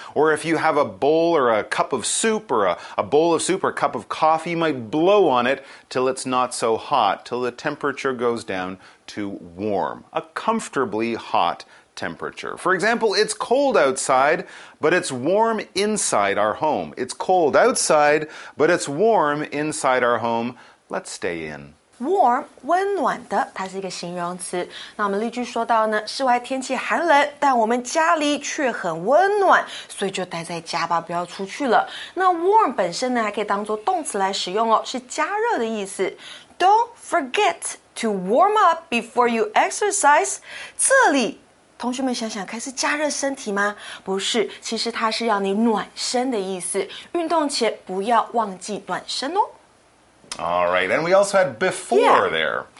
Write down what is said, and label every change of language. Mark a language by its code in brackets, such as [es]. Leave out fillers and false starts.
[en] Or if you have a bowl or a cup of soup or a bowl of soup or a cup of coffee, you might blow on it till it's not so hot, till the temperature goes down to warm, a comfortably hot temperature. For example, it's cold outside, but it's warm inside our home. It's cold outside, but it's warm inside our home. Let's stay in. [zh] Warm, 温暖的，它是一个形容词。那我们例句说到呢，室外天气寒冷，但我们家里却很温暖，所以就待在家吧，不要出去了。那 warm 本身呢，还可以当作动词来使用哦，是加热的意思。 [en] Don't forget to warm up before you exercise. [zh] 这里同学们想想看是加热身体吗？不是，其实它是要你暖身的意思。运动前不要忘记暖身哦。 [en] All right, and we also had before there.